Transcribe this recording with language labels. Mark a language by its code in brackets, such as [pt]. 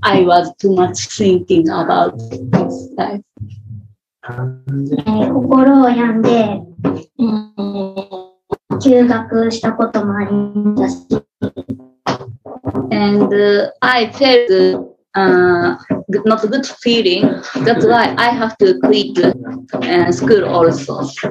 [en] I was too much thinking about this life. [ja] 心を病んで、休学したこともありましたし、 [en] and I felt not a good feeling. That's why I have to quit school also.